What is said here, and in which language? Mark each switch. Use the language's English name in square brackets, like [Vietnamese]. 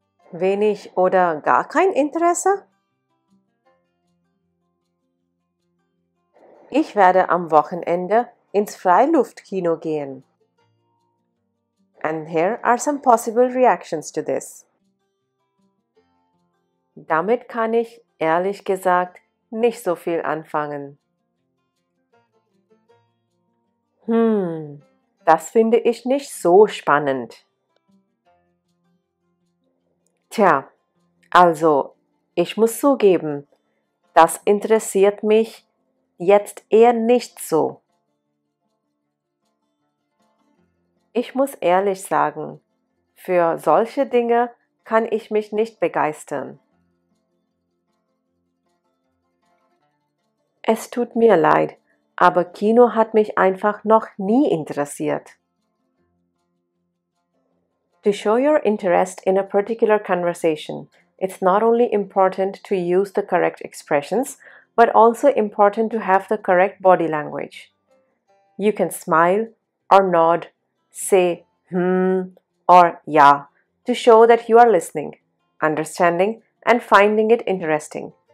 [German] Wenig oder gar kein Interesse? Ich werde am Wochenende ins Freiluftkino gehen. [English] And here are some possible reactions to this. [German] Damit kann ich, ehrlich gesagt, nicht so viel anfangen. Das finde ich nicht so spannend. Tja, also, ich muss zugeben, das interessiert mich jetzt eher nicht so. Ich muss ehrlich sagen, für solche Dinge kann ich mich nicht begeistern. Es tut mir leid, aber Kino hat mich einfach noch nie interessiert. [English] To show your interest in a particular conversation, it's not only important to use the correct expressions, but also important to have the correct body language. You can smile or nod, say hmm or ja to show that you are listening, understanding, and finding it interesting.